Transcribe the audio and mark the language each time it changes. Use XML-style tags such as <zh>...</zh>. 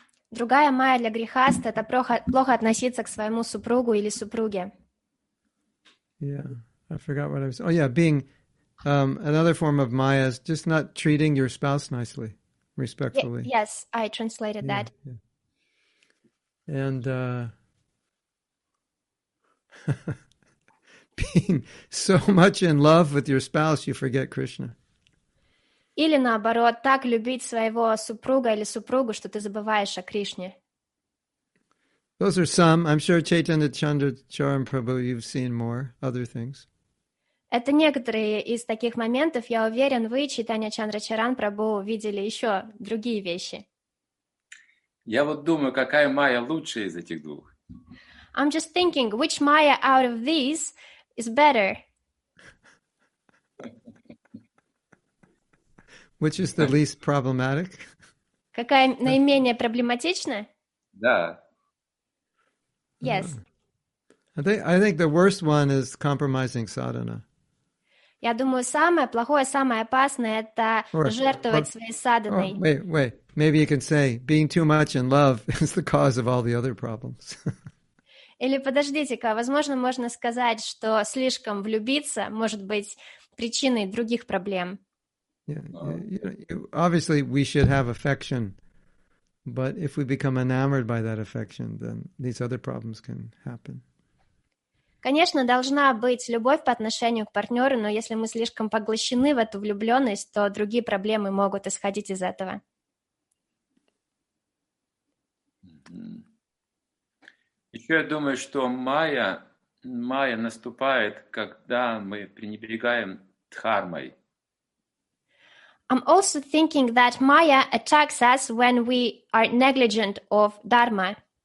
<ru>Другая майя для грехаста — это плохо относиться к своему супругу или супруге.</ru> <en>Yeah, I forgot what I was... Oh, yeah, being... another form of maya is just not treating your spouse nicely, respectfully. Yes, I translated that. Yeah. And being so much in love with your spouse, you forget Krishna.</en> <ru>Или наоборот, так любить своего супруга или супругу, что ты забываешь о Кришне.</ru> <en>Those are some. I'm sure Chaitanya Chandracharan Prabhu, you've seen more other things.</en> <ru>Это некоторые из таких моментов. Я уверен, вы, Чайтанья Чандрачаран Прабху, видели еще другие вещи. Я вот думаю, какая майя лучше из этих двух.</ru> <en>I'm just thinking, which майя out of these is better? Which is the least problematic?</en> <ru>Какая наименее проблематичная? Да.</ru> <en>Yes. I think the worst one is compromising sadhana.</en> <ru>Я думаю, самое плохое, самое опасное — это жертвовать своей садханой.</ru> <en>Wait. Maybe you can say being too much in love is the cause of all the other problems.</en> <ru>Или подождите-ка, возможно, можно сказать, что слишком влюбиться может быть причиной других проблем.</ru> <en>Obviously, we should have affection, but if we become enamored by that affection, then these other problems can happen.</en> <ru>Конечно, должна быть любовь по отношению к партнеру, но если мы слишком поглощены в эту влюбленность, то другие проблемы могут исходить из этого. Еще я думаю, что майя наступает, когда мы пренебрегаем дхармой.</ru> <en>I'm also thinking that майя attacks us when we are negligent of dharma.</en>